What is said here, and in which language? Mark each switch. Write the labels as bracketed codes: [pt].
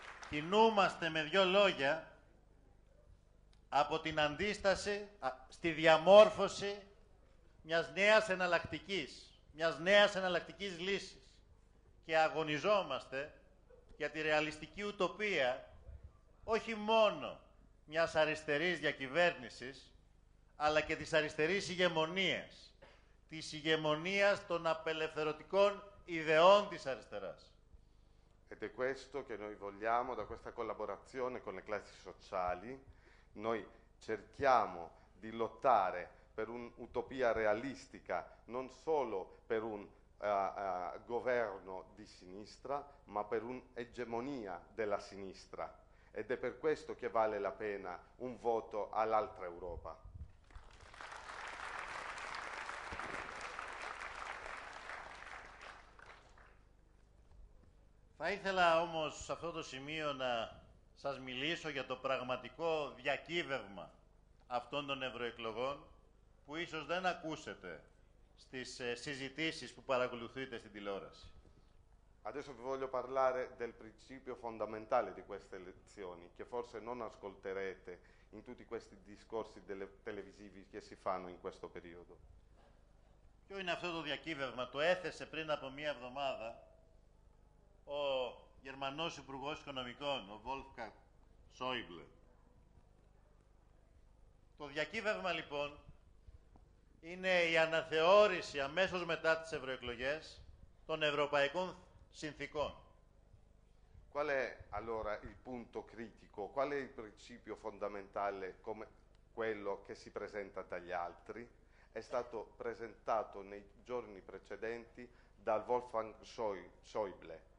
[el] Κινούμαστε με δύο λόγια από την αντίσταση στη διαμόρφωση μιας νέας εναλλακτικής λύσης και αγωνιζόμαστε για τη ρεαλιστική ουτοπία όχι μόνο μιας αριστερής διακυβέρνησης αλλά και της αριστερής ηγεμονίας, της ηγεμονίας των απελευθερωτικών ιδεών της αριστεράς. [it] Ed è questo che noi vogliamo da questa collaborazione con le classi sociali. Noi cerchiamo di lottare per un'utopia realistica, non solo per un governo di sinistra, ma per un'egemonia della sinistra. Ed è per questo che vale la pena un voto all'altra Europa. [el] Θα ήθελα όμως σε αυτό το σημείο να σας μιλήσω για το πραγματικό διακύβευμα αυτών των ευρωεκλογών που ίσως δεν ακούσετε στις συζητήσεις που παρακολουθείτε στην τηλεόραση. [it] Adesso vi voglio parlare del principio fondamentale di queste elezioni che forse non ascolterete in tutti questi discorsi televisivi che si fanno in questo periodo. [el] Ποιο είναι αυτό το διακύβευμα? Το έθεσε πριν από μία εβδομάδα ο Γερμανός Υπουργός Οικονομικών, ο Wolfgang Schäuble. Το διακύβευμα λοιπόν είναι η αναθεώρηση αμέσως μετά τις ευρωεκλογές των ευρωπαϊκών συνθήκων. [it] Qual è allora il punto critico? Qual è il principio fondamentale come quello che si presenta dagli altri? È stato presentato nei giorni precedenti dal Wolfgang Schäuble.